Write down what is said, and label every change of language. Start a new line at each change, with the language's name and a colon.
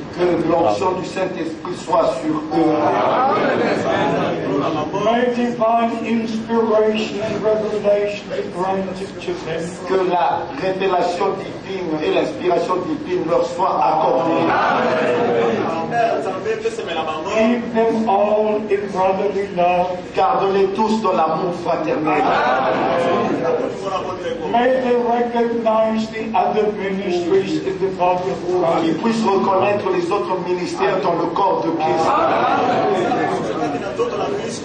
French: Que l'onction du Saint-Esprit soit sur eux.
English: May divine inspiration and revelation be granted to them.
French: Que la révélation divine et l'inspiration divine leur soit accordée.
English: Keep them all in brotherly love.
French: Garde-les tous dans l'amour fraternel.
English: May they recognize the other ministries in the body of Christ.
French: Qu'ils puissent reconnaître les autres ministères dans le corps de Christ.